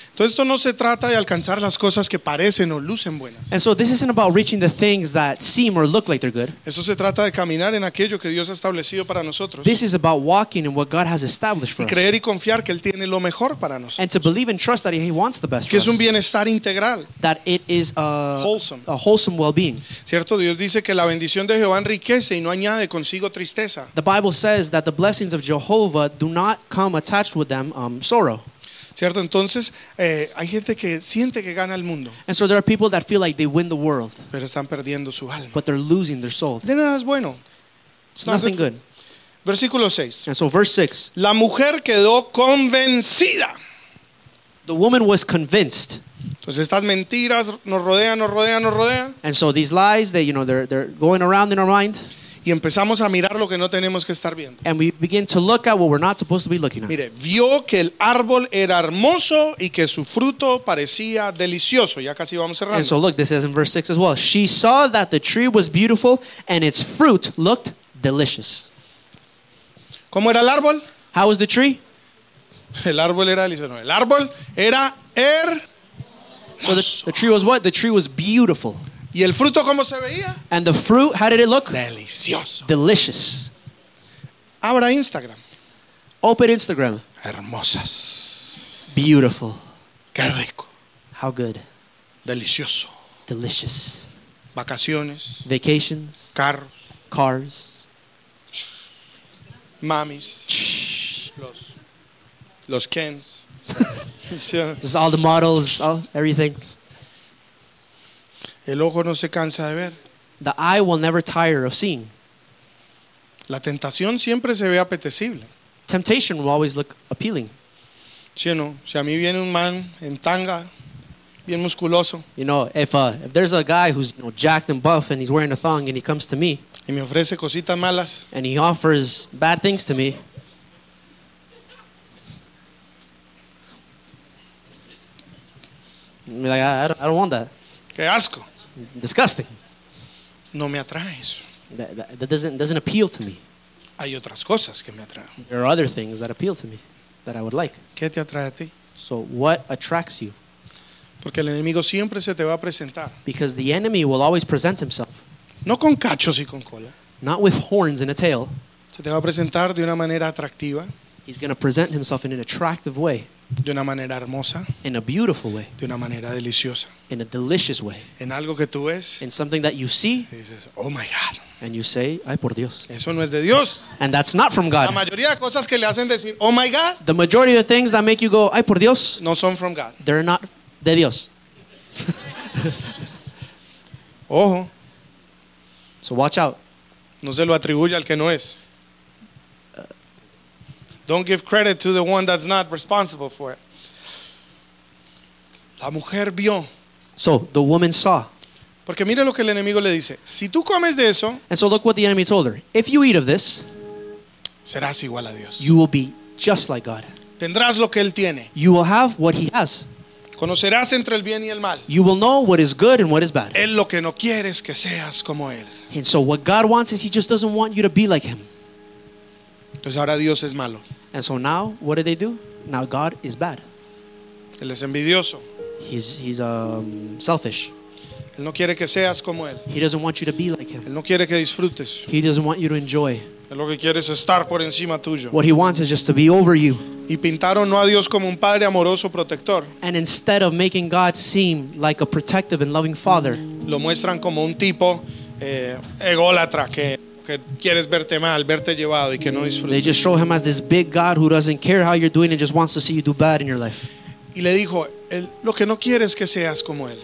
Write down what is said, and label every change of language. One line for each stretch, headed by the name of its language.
Spanish: Entonces esto no se trata de alcanzar las cosas que parecen o lucen buenas.
English: And so this isn't about reaching the things that seem or look like they're good.
Spanish: Esto se trata de caminar en aquello que Dios ha establecido para nosotros.
English: This is about walking in what God has established for us.
Spanish: Y creer y confiar que Él tiene lo mejor para nosotros.
English: And to believe and trust that He wants the best for us.
Spanish: Que es un bienestar integral.
English: That it is a wholesome well-being.
Spanish: Cierto, Dios dice que la bendición de Jehová enriquece y no añade consigo tristeza.
English: The Bible says that the blessings of Jehovah do not come attached with them sorrow.
Spanish: Cierto, entonces hay gente que siente que gana el mundo.
English: And so there are people that feel like they win the world.
Spanish: Pero están perdiendo su alma.
English: But they're losing their soul.
Spanish: De nada es bueno.
English: It's nothing good.
Spanish: Versículo 6.
English: And so verse 6.
Spanish: La mujer quedó convencida.
English: The woman was convinced.
Spanish: Entonces estas mentiras nos rodean.
English: And so these lies, they, you know, they're going around in our mind.
Spanish: Y empezamos a mirar lo que no tenemos que estar viendo.
English: And we begin to look at what we're not supposed to be looking at.
Spanish: Mire, vio que el árbol era hermoso y que su fruto parecía delicioso. Ya casi vamos cerrando.
English: And so look, this is in verse 6 as well. She saw that the tree was beautiful and its fruit looked delicious.
Spanish: ¿Cómo era el árbol?
English: How was the tree?
Spanish: El árbol era delicioso. El árbol era hermoso.
English: So the tree was what? The tree was beautiful.
Spanish: ¿Y el fruto cómo se veía?
English: And the fruit, how did it look?
Spanish: Delicioso.
English: Delicious.
Spanish: Abra Instagram.
English: Open Instagram.
Spanish: Hermosas.
English: Beautiful.
Spanish: Qué rico.
English: How good.
Spanish: Delicioso.
English: Delicious.
Spanish: Vacaciones.
English: Vacations.
Spanish: Carros.
English: Cars.
Spanish: Mamis. Los Kens.
English: Just all the models, everything.
Spanish: El ojo no se cansa de ver.
English: The eye will never tire of seeing.
Spanish: La tentación siempre se ve apetecible.
English: Temptation will always look appealing.
Spanish: Sí, no. Si a mí viene un man en tanga, bien musculoso.
English: You know, if there's a guy who's, you know, jacked and buff and he's wearing a thong and he comes to me.
Spanish: Y me ofrece cositas malas.
English: And he offers bad things to me. I'm like, I don't want that.
Spanish: Qué asco.
English: Disgusting.
Spanish: No me atrae eso.
English: That doesn't appeal to me.
Spanish: Hay otras cosas que me atraen.
English: There are other things that appeal to me. that I would like.
Spanish: ¿Qué te atrae a ti?
English: So what attracts you?
Spanish: Porque el enemigo siempre se te va a presentar.
English: Because the enemy will always present himself.
Spanish: No con cachos y con cola.
English: Not with horns and a tail.
Spanish: Se te va a presentar de una manera atractiva.
English: He's going to present himself in an attractive way.
Spanish: De una manera hermosa.
English: In a beautiful way.
Spanish: De una manera deliciosa.
English: In a delicious way.
Spanish: En algo que tú ves.
English: In something that you see.
Spanish: Y dices,
English: oh my God. And you say,
Spanish: ay por Dios. Eso no es de Dios.
English: And that's not from God.
Spanish: La mayoría de cosas que le hacen decir,
English: oh my God. The majority of things that make you go,
Spanish: ay por Dios. No son
English: from God. They're not
Spanish: de Dios. Ojo.
English: So watch out.
Spanish: No se lo atribuye al que no es.
English: Don't give credit to the one that's not responsible for it.
Spanish: La mujer vio.
English: So the woman saw.
Spanish: Porque mire lo que el enemigo le dice. Si tú comes de eso.
English: And so look what the enemy told her. If you eat of this.
Spanish: Serás igual a Dios.
English: You will be just like God.
Spanish: Tendrás lo que él tiene.
English: You will have what he has.
Spanish: Conocerás entre el bien y el mal.
English: You will know what is good and what is bad.
Spanish: Él lo que no quiere es que seas como él.
English: And so what God wants is he just doesn't want you to be like him.
Spanish: Entonces ahora Dios es malo.
English: And so now, what do they do? Now God is bad.
Spanish: Él es envidioso.
English: He's selfish.
Spanish: Él no quiere que seas como él.
English: He doesn't want you to be like him.
Spanish: Él no quiere que disfrutes.
English: He doesn't want you to enjoy.
Spanish: Él lo que quiere es estar por encima tuyo.
English: What he wants is just to be over you.
Spanish: Y pintaron no a Dios como un padre amoroso protector.
English: And instead of making God seem like a protective and loving father,
Spanish: lo muestran como un tipo ególatra que quieres verte mal, verte llevado y que no disfrutes.
English: They just show him as this big God who doesn't care how you're doing and just wants to see you do bad in your life.
Spanish: Y le dijo, lo que no quiere es que seas como él.